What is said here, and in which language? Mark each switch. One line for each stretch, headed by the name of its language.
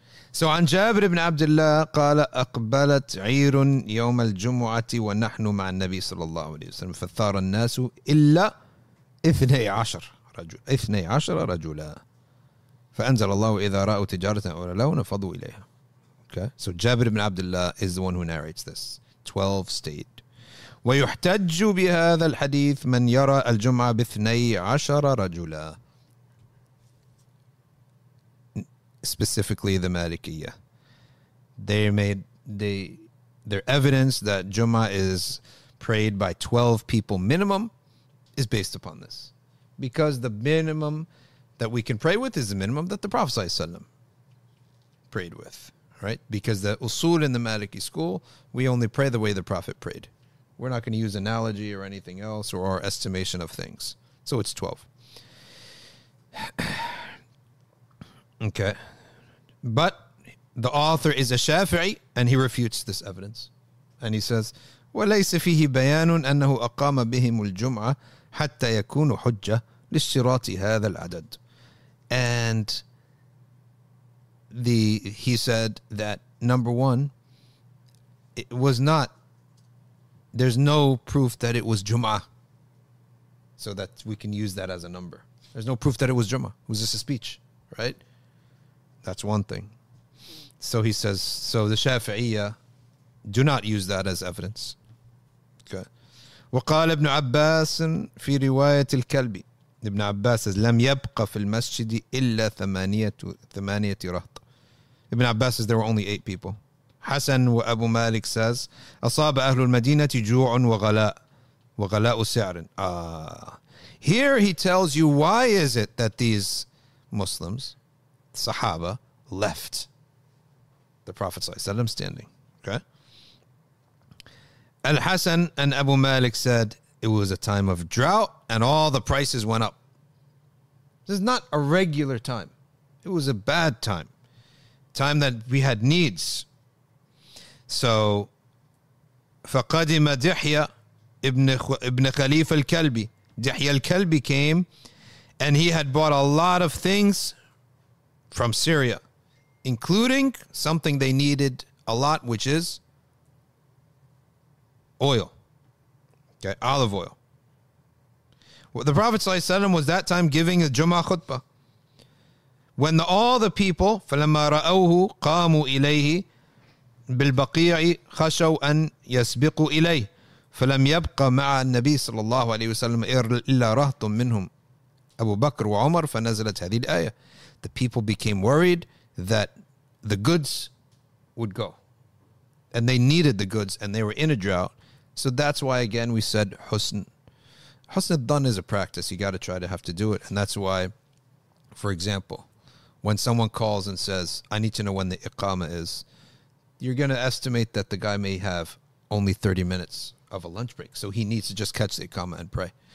Arabic: So عن جابر بن عبد الله قال أقبلت عير يوم الجمعة ونحن مع النبي صلى الله عليه وسلم فثار الناس إلا 12 رجل 12 رجلا فأنزل الله إذا رأوا تجارة أو لهوا فضوا إليها.
English: Okay. So جابر بن عبد الله is the one who narrates this. 12 stayed.
Arabic: ويحتج بهذا الحديث من يرى الجمعة باثني عشر رجلا.
English: Specifically the Malikiyah. Their evidence that Jummah is prayed by 12 people minimum is based upon this. Because the minimum that we can pray with is the minimum that the Prophet ﷺ prayed with. Right? Because the usul in the Maliki school, we only pray the way the Prophet prayed. We're not going to use analogy or anything else or our estimation of things. So it's 12. Okay. But the author is a Shafi'i and he refutes this evidence. And he says,
Arabic: وَلَيْسَ فِيهِ بَيَانٌ أَنَّهُ أَقَامَ بِهِمُ الْجُمْعَةِ حَتَّى يَكُونُ حُجَّةٌ لِشِّرَاطِ هَذَا الْعَدَدِ.
English: And he said that, number one, it was not, there's no proof that it was Jum'ah. So that we can use that as a number. There's no proof that it was Jum'ah. It was just a speech, right? That's one thing. So he says, so the Shafi'iyah do not use that as evidence. Okay.
Arabic: وقال ابن عباس في رواية الكلبي. ابن عباس
English: says,
Arabic: لم يبقى في المسجد إلا ثمانية رهط.
English: Ibn Abbas says, there were only 8 people. Hassan wa Abu Malik says,
Arabic: أصاب أهل المدينة جوع وغلاء وغلاء سعر.
English: Here he tells you, why is it that these Muslims, Sahaba, left the Prophet sallallahu alaihi wasallam standing? Okay. Al Hassan and Abu Malik said it was a time of drought and all the prices went up. This is not a regular time. It was a bad time. Time that we had needs.
Arabic: So فقدم دحية ابن خليفة الكلبي.
English: دحية الكلبي came and he had bought a lot of things from Syria, including something they needed a lot, which is oil. Okay, olive oil. Well, the Prophet ﷺ was that time giving a Jummah khutbah. When all the people,
Arabic: فَلَمَّا رَأَوْهُ قَامُوا إِلَيْهِ بِالْبَقِيعِ خَشَوْا أَنْ يَسْبِقُوا إِلَيْهِ فَلَمْ يَبْقَ مَعَ النَّبِيِّ صَلَّى اللَّهُ عَلَيْهِ وَسَلَّمَ إِلَّا رَهْطٌ مِّنْهُمْ أَبُو بَكْرُ وَعُمَرُ فَنَزَلَتْ هَذِهِ الْآيَةِ.
English: The people became worried that the goods would go. And they needed the goods and they were in a drought. So that's why, again, we said husn. Husn al-dhan is a practice. You got to try to have to do it. And that's why, for example, when someone calls and says, I need to know when the iqama is, you're going to estimate that the guy may have only 30 minutes of a lunch break. So he needs to just catch the iqama and pray.